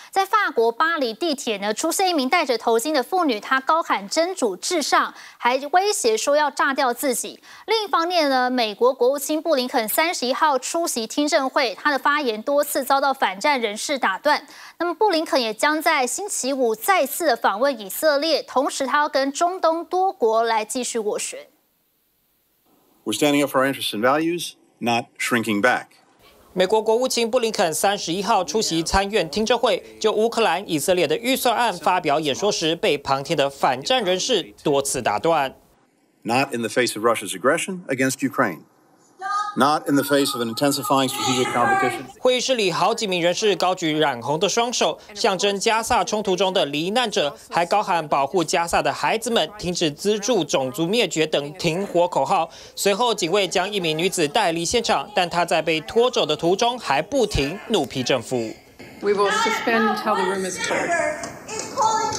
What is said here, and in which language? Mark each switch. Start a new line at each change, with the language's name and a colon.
Chinese: 在法国巴黎地铁呢，出现一名戴着头巾的妇女，她高喊真主至上，还威胁说要炸掉自己。另一方面呢，美国国务卿布林肯31号出席听证会，他的发言多次遭到反战人士打断。那么布林肯也将在星期五再次的访问以色列，同时他要跟中东多国来继续斡旋。
English: We're standing up for our interests and values, not shrinking back.
Chinese: 美国国务卿布林肯31号出席参院听证会，就乌克兰、以色列的预算案发表演说时，被旁听的反战人士多次打断。
English: Not in the face of Russia's aggression against Ukraine. Not in the face of an intensifying strategic competition.
Chinese: 会议室里好几名人士高举染红的双手，象征加萨冲突中的罹难者，还高喊保护加萨的孩子们、停止资助种族灭绝等停火口号。随后，警卫将一名女子带离现场，但她在被拖走的途中还不停怒批政府。
English: We will suspend until the room is cleared.